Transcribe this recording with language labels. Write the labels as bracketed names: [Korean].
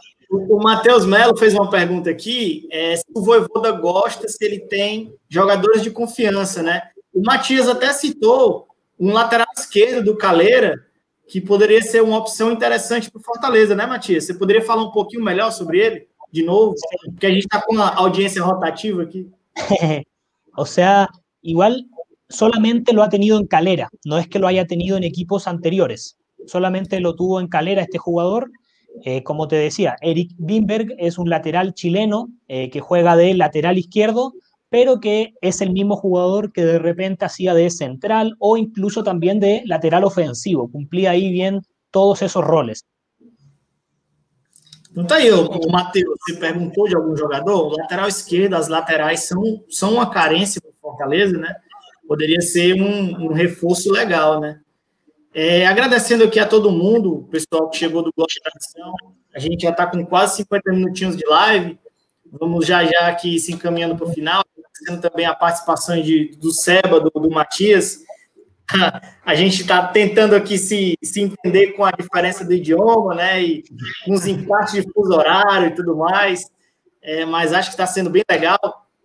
[Portuguese] O Matheus Melo fez uma pergunta aqui, se o Vojvoda gosta, se ele tem jogadores de confiança, né? O Matias até citou um lateral esquerdo do Calera, que poderia ser uma opção interessante para o Fortaleza, né, Matias? Você poderia falar um pouquinho melhor sobre ele, de novo? Porque a gente está com uma audiência rotativa aqui. Ou seja, [Spanish] igual, solamente lo ha tenido en Calera, [Portuguese] não é que [Spanish] lo haya tenido en equipos anteriores, solamente lo tuvo en Calera este jugador. Como te decía, Eric Wimberg es un lateral chileno que juega de lateral izquierdo, pero que es el mismo jugador que de repente hacía de central o incluso también de lateral ofensivo. Cumplía ahí bien todos esos roles. Está ahí, Mateo, se preguntó de algún jugador. Lateral izquierdo, las laterales son una carencia para Fortaleza, ¿no? Podría ser un reforzo legal, ¿no? [Portuguese] Agradecendo aqui a todo mundo, o pessoal que chegou do Globo de Tradição, a gente já está com quase 50 minutinhos de live, vamos já aqui se encaminhando para o final, agradecendo também a participação do Seba, do Matias, a gente está tentando aqui se entender com a diferença do idioma, né, e com os impactos de fuso horário e tudo mais, mas acho que está sendo bem legal.